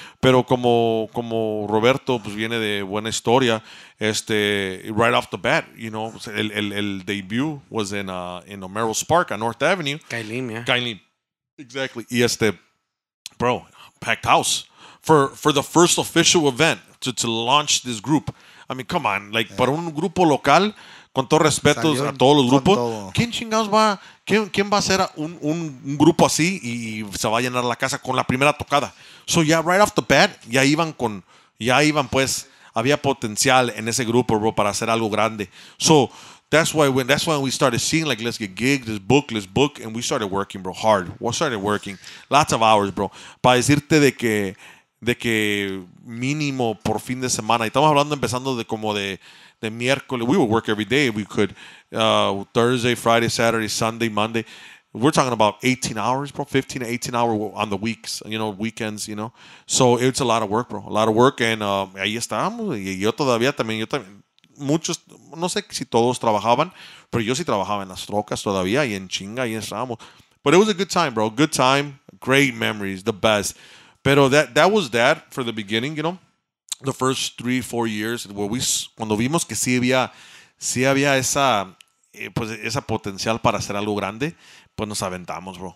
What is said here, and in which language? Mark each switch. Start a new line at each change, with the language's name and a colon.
Spanish: Pero como Roberto pues viene de buena historia,
English: right off the bat, you know,
Spanish: el debut
English: was in Omero's Park on North Avenue. Kailin. Exactly. Y bro, packed house. For the first official event to launch this group. I mean, come on. Like, yeah.
Spanish: Para un grupo local, con todo respeto a todos los grupos, ¿quién chingados va? ¿Quién va a ser un grupo así y se va a llenar la casa con la primera tocada?
English: So, yeah, right off the bat,
Spanish: ya iban, pues, había potencial en ese grupo, bro, para hacer algo grande.
English: So, that's why we started seeing, like, let's get gigged, let's book, and we started working, bro, hard. We started working. Lots of hours, bro.
Spanish: Para decirte de que mínimo por fin de semana. Y estamos hablando empezando de como de miércoles.
English: We would work every day if we could. Thursday, Friday, Saturday, Sunday, Monday. We're talking about 18 hours, bro. 15 to 18 hours on the weeks, you know, weekends, you know. So it's a lot of work, bro. A lot of work. And
Spanish: ahí estábamos. Y yo todavía también. Yo también. Muchos, no sé si todos trabajaban, pero yo sí trabajaba en las trocas todavía. Y en chinga, ahí estábamos.
English: But it was a good time, bro. Good time. Great memories. The best.
Spanish: Pero
English: that was that for the beginning, you know, the first 3-4 years where we,
Spanish: cuando vimos que sí había esa, pues esa potencial para hacer algo grande, pues nos aventamos, bro.